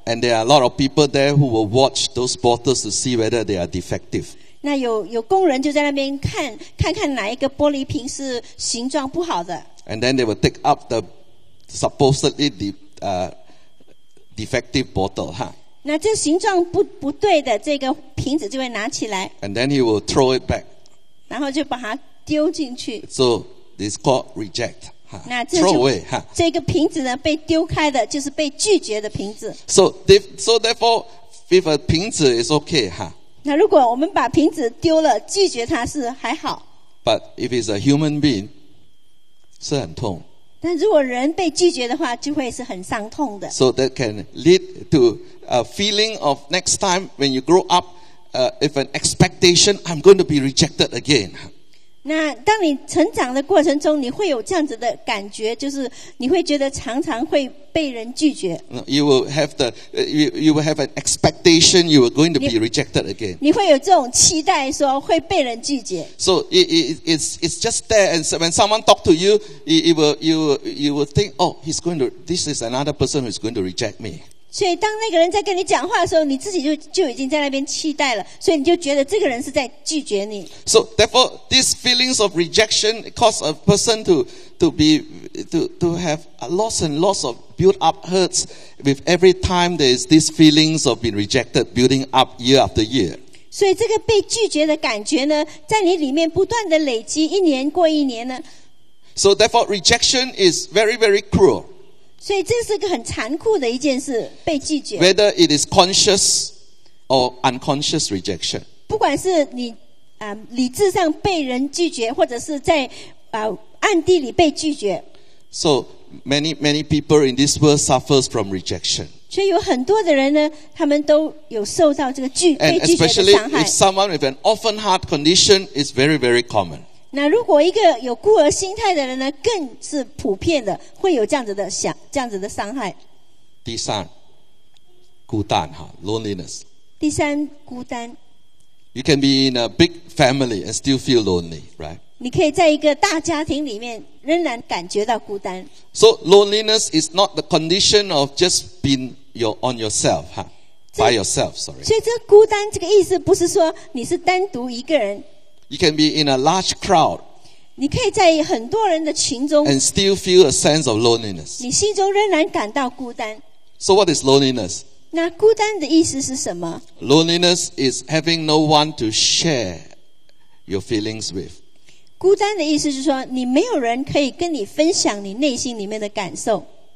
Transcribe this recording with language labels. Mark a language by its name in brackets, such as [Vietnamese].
[English] And there are a lot of people there who will watch those bottles to see whether they are defective. [Chinese] 那有工人就在那边看，看看哪一个玻璃瓶是形状不好的。 [English] And then they will take up the supposedly defective bottle, huh? [Chinese] 那这形状不对的这个瓶子就会拿起来。 [English] And then he will throw it back. [Chinese] 然后就把它丢进去。 [English] So this called reject, throw away. [Chinese] 这个瓶子呢，被丢开的就是被拒绝的瓶子。 [English] So therefore, if a 瓶子 is okay, 哈。 [Chinese] 那如果我们把瓶子丢了，拒绝它是还好。 [English] But if it's a human being, [Chinese] 是很痛。但如果人被拒绝的话，就会是很伤痛的。 [English] So that can lead to a feeling of next time when you grow up. If an expectation, I'm going to be rejected again. [Chinese] 那当你成长的过程中，你会有这样子的感觉，就是你会觉得常常会被人拒绝。 [English] You will have you will have an expectation you are going to be rejected again. [Chinese] 你会有这种期待，说会被人拒绝。 [English] So it's just there, and when someone talk to you, you will think, oh, this is another person who is going to reject me. [Chinese] 所以当那个人在跟你讲话的时候你自己就已经在那边期待了所以你就觉得这个人是在拒绝你 [English] So therefore these feelings of rejection cause a person to have lots and lots of built up hurts with every time there is these feelings of being rejected building up year after year [Chinese] 所以这个被拒绝的感觉呢在你里面不断的累积一年过一年呢 [English] So therefore rejection is very very cruel [Chinese] 所以这是个很残酷的一件事被拒绝 [English] Whether it is conscious or unconscious rejection [Chinese] 不管是你理智上被人拒绝或者是在暗地里被拒绝 [English] So many many people in this world suffers from rejection [Chinese] 所以有很多的人呢他们都有受到这个被拒绝的伤害 [English] And especially if someone with an orphan heart condition is very very common [Chinese] 那如果一个有孤儿心态的人呢，更是普遍的会有这样子的伤害。第三，孤单哈 ，loneliness。第三，孤单。 [English] You can be in a big family and still feel lonely, right? [Chinese] 你可以在一个大家庭里面仍然感觉到孤单。 [English] So loneliness is not the condition of just being on yourself, huh? By yourself, sorry. [Chinese] 所以这孤单这个意思不是说你是单独一个人。 [English] You can be in a large crowd. [Chinese] 你可以在很多人的群中。 [English] And still feel a sense of loneliness. [Chinese] 你心中仍然感到孤单。 [English] So what is loneliness? [Chinese] 那孤单的意思是什么？ [English] Loneliness is having no one to share your feelings with. [Chinese] 孤单的意思是说你没有人可以跟你分享你内心里面的感受。